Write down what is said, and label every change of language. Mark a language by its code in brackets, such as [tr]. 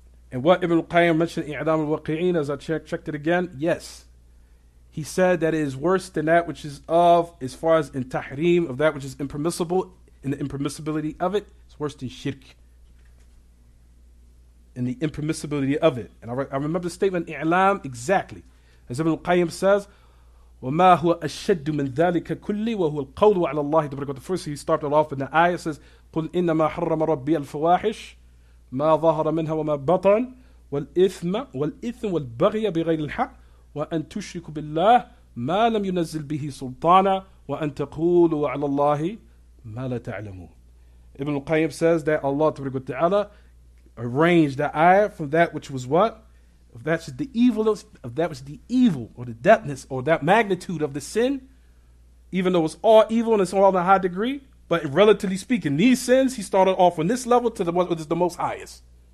[en] And what Ibn al-Qayyim mentioned, I'dam al-Waqi'een, as I checked it again, yes. He said that it is worse than that which is of, as far as in tahrim, of that which is impermissible, in the impermissibility of it, it's worse than shirk. In the impermissibility of it. And I remember the statement, I'lam, exactly. As Ibn al-Qayyim says, [ar] وَمَا هُوَ أَشَّدُّ مِنْ ذَلِكَ كُلِّي وَهُوَ الْقَوْلُ عَلَى اللَّهِ تَبْرَكُوا. [en] First, he started off in the ayah, says, [ar] قُلْ إِنَّمَا حَرَّمَ رَبِّيَ الْفَوَاحِشِ ما ظهر منها وما بطن والإثم والإثم والبغي بغير الحق وأن تشرك بالله ما لم ينزل به سلطانا وأن تقولوا على الله ما لا تعلمون. [en] Ibn al-Qayyim says that Allah Ta'ala arranged the ayah from that which was what? That was the evil or the depthness or that magnitude of the sin, even though it's all evil and it's all in a high degree, but relatively speaking, these sins, he started off on this level to the one which is the most highest.